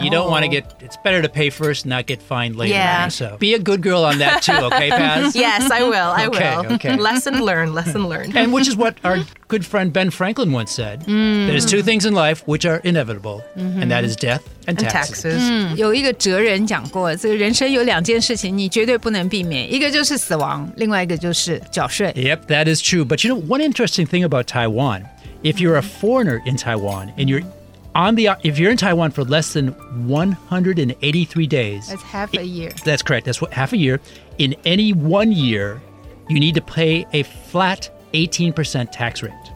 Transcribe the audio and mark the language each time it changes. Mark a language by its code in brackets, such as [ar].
[en] You don't want to get, it's better to pay first and not get fined later. Yeah. So be a good girl on that too, okay, Paz? Yes, I will. Okay. Lesson learned. And which is what our good friend Ben Franklin once said. There's two things in life which are inevitable, and that is death. And taxes. [zh] 有一个哲人讲过，这个人生有两件事情你绝对不能避免，一个就是死亡，另外一个就是缴税。 [en] Yep, that is true. But you know, one interesting thing about Taiwan, if you're a foreigner in Taiwan and you're if you're in Taiwan for less than 183 days, that's half a year. That's correct. That's half a year. In any one year, you need to pay a flat 18% tax rate.